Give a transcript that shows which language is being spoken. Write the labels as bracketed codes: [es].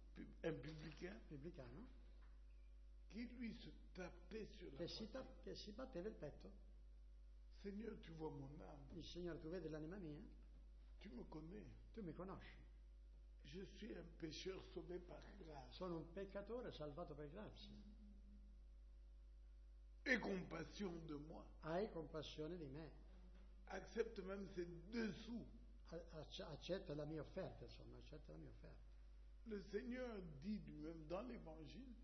[fr] qui lui se tapait sur la poitrine, [it] che si batteva il petto. [fr] Signore, tu vois mon âme. [it] Il Signore, tu vedi l'anima mia. [fr] Tu me connais. [it] Tu mi conosci. [fr] Je suis un pécheur sauvé par grâce. [it] Sono un peccatore salvato per grazia. [fr] Aie compassion de moi. [it] Hai compassione di me. [fr] Accepte même ces deux sous. [it] Accetta la mia offerta, insomma, accetta la mia offerta. [fr] Le Seigneur dit lui-même dans l'Évangile.